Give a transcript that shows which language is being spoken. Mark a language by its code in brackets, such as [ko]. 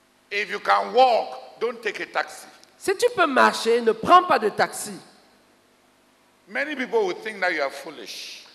[en] If you can walk, don't take a taxi. [fr] Si tu peux marcher, ne prends pas de taxi. [en] Many people will think that you are foolish.